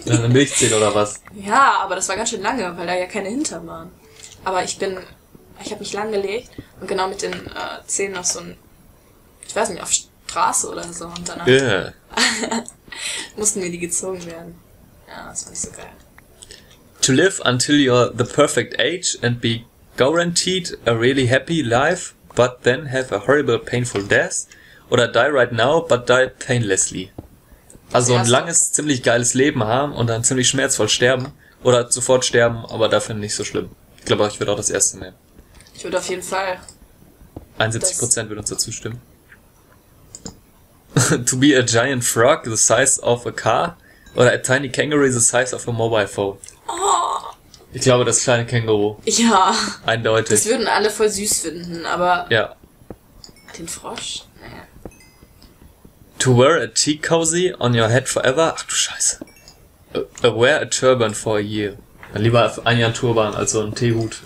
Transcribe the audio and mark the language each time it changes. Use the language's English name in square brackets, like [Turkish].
[German] Deine Milchzähne oder was? Ja, aber das war ganz schön lange, weil da ja keine hinter waren. Aber ich habe mich lang gelegt und genau mit den Zähnen auf so ein, ich weiß nicht, auf Straße oder so und danach mussten mir die gezogen werden. Ja, das war nicht so geil. [English] To live until you're the perfect age and be guaranteed a really happy life, but then have a horrible painful death, oder die right now, but die painlessly. [German] Also ein langes, ziemlich geiles Leben haben und dann ziemlich schmerzvoll sterben, oder sofort sterben, aber dafür nicht so schlimm. Ich glaube, ich würde auch das erste nehmen. Ich würde auf jeden Fall. 71% würde uns dazu stimmen. [English] To be a giant frog the size of a car, oder a tiny kangaroo the size of a mobile phone. [German] Ich glaube, das kleine Känguru. Ja. Eindeutig. Das würden alle voll süß finden, aber... Ja. Den Frosch? Naja. [English] To wear a tea cozy on your head forever? [German] Ach du Scheiße. [English] Wear a turban for a year. [German] Dann lieber ein Jahr Turban als so ein Teehut.